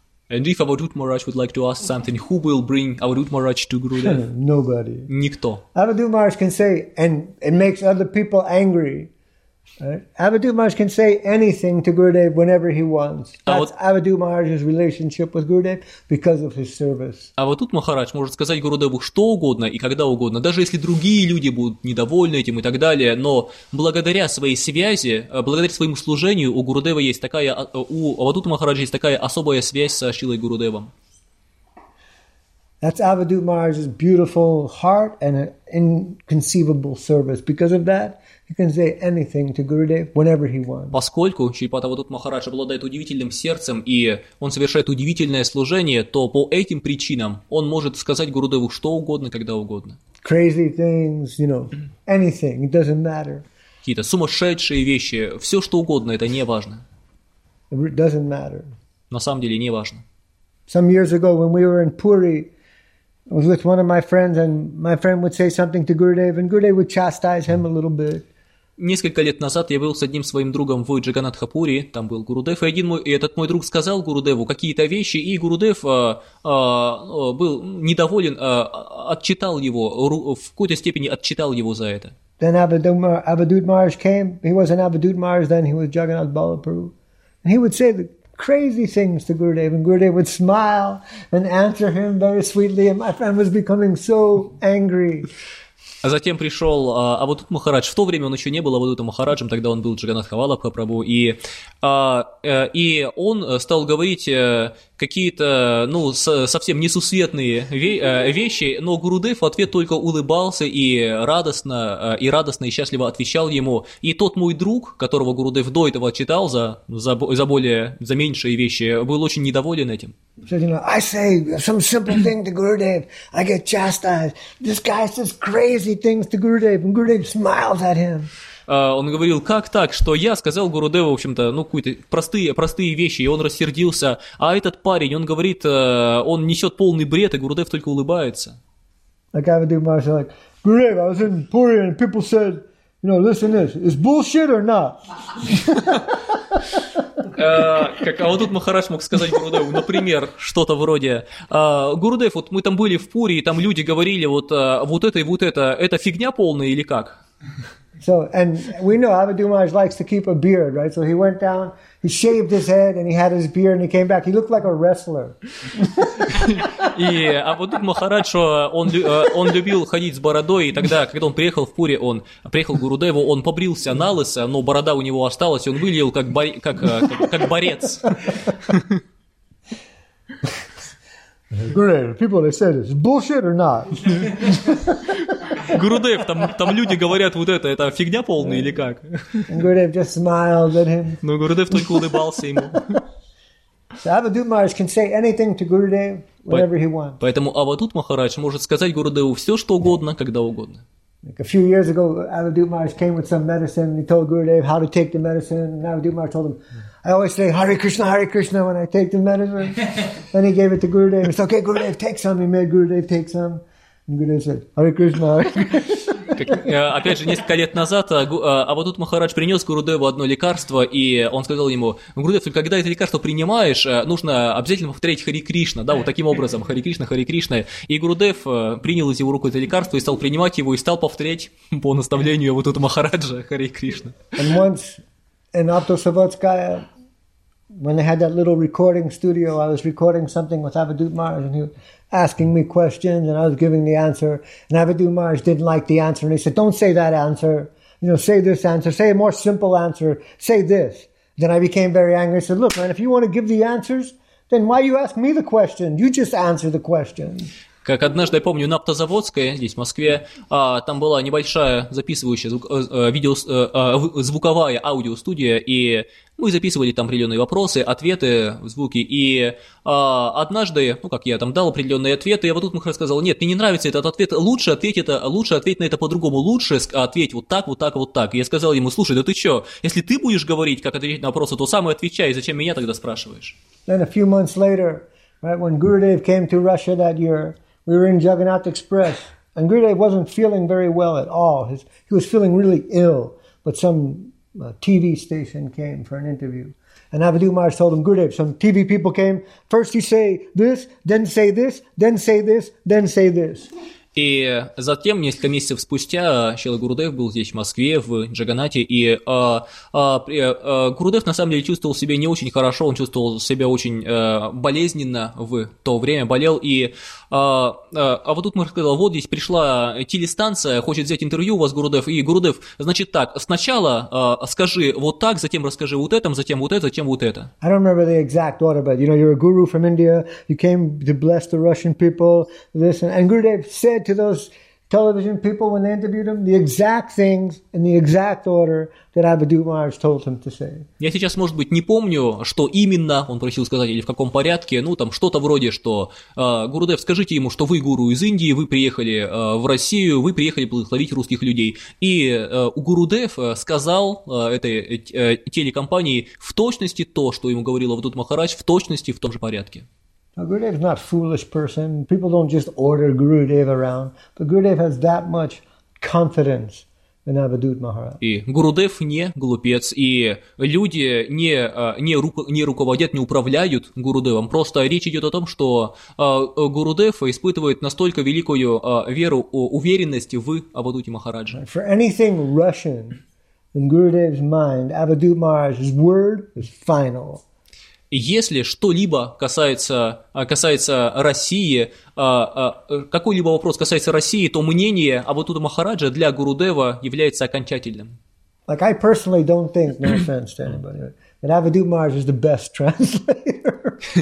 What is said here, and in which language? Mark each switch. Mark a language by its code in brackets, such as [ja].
[en] And if Avadhut Maharaj would like to ask something, who will bring Avadhut Maharaj to Gurudev? Nobody. [ru] Никто. [en] Avadhut Maharaj can say, and it makes other people angry. Right? Avadhut Maharaj can say anything to Gurudev whenever he wants. That's Avadhut Maharaj's relationship with Gurudev because of his service. [ru] Avadhut Maharaj может сказать Гурудеву что угодно и когда угодно, даже если другие люди будут недовольны этим и так далее, но благодаря своей связи, благодаря своему служению у Гурудева есть такая, у Avadhut Maharaj есть такая особая связь со Шилой Гурудевом. [en] That's Avadhut Maharaj's beautiful heart and an inconceivable service. Because of that, he can say anything to Gurudev whenever he wants. [ru] Поскольку Шрипад Авадут Махарадж обладает удивительным сердцем и он совершает удивительное служение, то по этим причинам он может сказать Гурудеву что угодно, когда угодно. [en] Crazy things, you know, anything, it doesn't matter. [ru] Какие-то сумасшедшие вещи, все что угодно, это не важно. [en] It doesn't matter. [ru] На самом деле не важно. [en] Some years ago, when we were in Puri, I was with one of my friends, and my friend would say something to Gurudev, and Gurudev would chastise him a little bit. [ru] Несколько лет назад я был с одним своим другом в Джаганатхапури, там был Гурудев, и этот мой друг сказал Гурудеву какие-то вещи, и Гурудев был недоволен, отчитал его, в какой-то степени отчитал его за это. [en] Then Avadhut Maharaj came, he wasn't Avadhut Maharaj then, he was Jagannath Balapuru, and he would say the crazy things to Gurudev, and Gurudev would smile and answer him very sweetly, and my friend was becoming so angry. [ru] А затем пришел Авадут Махарадж. В то время он еще не был Авадутом Махараджем, тогда он был Джаганатхавалабха Прабу. И он стал говорить какие-то, ну, совсем несусветные вещи, но Гурудев в ответ только улыбался и радостно и счастливо отвечал ему. И тот мой друг, которого Гурудев до этого отчитал за меньшие вещи, был очень недоволен этим. [en] So, you know, I say some simple thing to Gurudev, I get chastised. This guy says crazy things to Gurudev, and Gurudev smiles at him. [ru] Он говорил, как так, что я сказал Гурудеву, в общем-то, ну, какие-то простые вещи, и он рассердился. А этот парень, он говорит, он несет полный бред, и Гурудев только улыбается. [en] Like Avadhut Maharaj said, like, Gurudev, I was in Puri, and people said, you know, listen to this, is bullshit or not? [ru] Как Авадут Махарадж мог сказать Гурудеву, например, что-то вроде, Гурудев, вот мы там были в Пури, и там люди говорили, вот это фигня полная или как? [en] So, and we know Avadhut Maharaj likes to keep a beard, right? So he went down, he shaved his head, and he had his beard, and he came back. He looked like a wrestler. [ru] И Авадут Махарадж, он любил ходить с бородой, и тогда, когда он приехал в Пури, он приехал к Гурудеву, он побрился на лысо, но борода у него осталась, и он выглядел как борец. [en] Great. People, they said, is bullshit or not? [ru] Гурудев, там люди говорят вот это фигня полная или как? [en] Гурудев just smiled at him. [ru] Ну, Гурудев только улыбался ему. [en] So Avadhut Maharaj can say anything to Gurudev, whatever he wants. [ru] Поэтому Авадут Махарадж может сказать Гурудеву все, что угодно, когда угодно. [en] Like a few years ago, Avadhut Maharaj came with some medicine, and he told Gurudev how to take the medicine, and Avadhut Maharaj told him, I always say, Hare Krishna, when I take the medicine. Then he gave it to Gurudev. He said, okay, Gurudev, take some. He made Gurudev take some. [ru] Опять же, несколько лет назад Авадут Махарадж принес Гурудеву одно лекарство, и он сказал ему: Гурудев, когда это лекарство принимаешь, нужно обязательно повторять Хари Кришна, да, вот таким образом, Хари Кришна, Хари Кришна. И Гурудев принял из его рук это лекарство и стал принимать его, и стал повторять по наставлению Авадут Махараджа Хари Кришна. [en] And once in Aptosavodskaya, when they had that little recording studio, I was recording something with Avadhut Maharaj, and he was asking me questions, and I was giving the answer. And Avadhut Maharaj didn't like the answer, and he said, "Don't say that answer. You know, say this answer. Say a more simple answer. Say this." Then I became very angry. I said, "Look, man, if you want to give the answers, then why you ask me the question? You just answer the question." [ru] Как однажды, я помню, на Автозаводской, здесь, в Москве, там была небольшая записывающая звуковая аудиостудия, и мы записывали там определенные вопросы, ответы, звуки, и однажды, ну как я там дал определенные ответы, и Авадут Махарадж сказал, нет, мне не нравится этот ответ, лучше ответь на это по-другому, лучше ответь вот так, вот так, вот так. И я сказал ему, слушай, да ты чё, если ты будешь говорить, как ответить на вопросы, то сам и отвечай, зачем меня тогда спрашиваешь? [en] Then a few months later, right, when Gurudev came to Russia that year, we were in Jagannath Express, and Gurudev wasn't feeling very well at all. He was feeling really ill, but some TV station came for an interview. And Avadhut Maharaj told him, Gurudev, some TV people came, first you say this, then say this, then say this, then say this. [ru] И затем, несколько месяцев спустя, Шрила Гурудев был здесь, в Москве, в Джаганате, и Гурудев, на самом деле, чувствовал себя не очень хорошо, он чувствовал себя очень болезненно в то время, болел, и Авадут Махарадж сказал, вот здесь пришла телестанция, хочет взять интервью у вас, Гурудев, и Гурудев, значит так, сначала скажи вот так, затем расскажи вот этом, затем вот это, затем вот это. [en] I don't remember the exact order, but, you know, you're a guru from India, you came to bless the Russian people, this, and Gurudev said to those television people, when they interviewed him, the exact things in the exact order that Abidu Maharaj told him to say. [ru] Я сейчас, может быть, не помню, что именно он просил сказать или в каком порядке. Ну, там что-то вроде, что Гурудев, скажите ему, что вы гуру из Индии, вы приехали в Россию, вы приехали благословить русских людей. И Гурудев сказал этой телекомпании в точности то, что ему говорил Абидут Махарадж, в точности в том же порядке. [en] A Gurudev is not a foolish person. People don't just order Gurudev around. But Gurudev has that much confidence in Abhidhut Maharaj. [ru] И Гурудев не глупец, и люди не руководят, не управляют Гурудевом. Просто речь идет о том, что Гурудев испытывает настолько великую веру, уверенность в Абхадуте Махараджа. [en] For anything Russian in Gurudev's mind, Abhidhut Maharaj's word is final. [ru] Если что-либо касается России, какой-либо вопрос касается России, то мнение Абхадута Махараджа для Гурудева является окончательным. [en] Like I personally don't think, no offense to anybody, that Abhidhut Maharaj is the best translator.